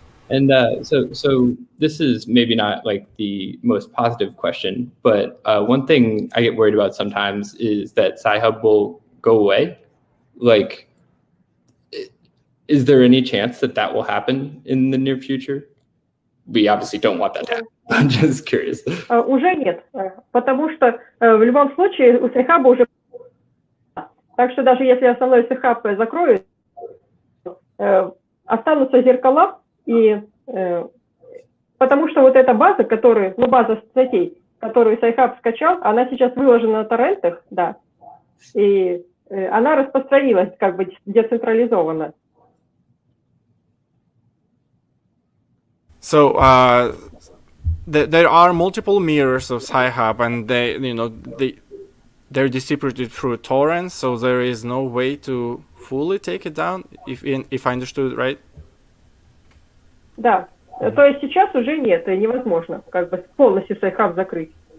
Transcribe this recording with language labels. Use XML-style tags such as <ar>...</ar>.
<en>And so this is maybe not like the most positive question, but one thing I get worried about sometimes is that Sci-Hub will go away. Like, is there any chance that that will happen in the near future? We obviously don't want that to happen. I'm just curious.</en> <ru>Уже нет, потому что в любом случае у Sci-Hub уже, так что даже если основной Sci-Hub закроют, останутся зеркала, и потому что вот эта база, которую, ну, база статей, которую Sci-Hub скачал, она сейчас выложена на торрентах, да, и она распространилась как бы децентрализованно.</ru> <en>So, there are multiple mirrors of Sci-Hub, and they're distributed through torrents, so there is no way to fully take it down, if I understood right.</en> <ru>Да, то есть сейчас уже нет, невозможно как бы полностью Sci-Hub закрыть.</ru>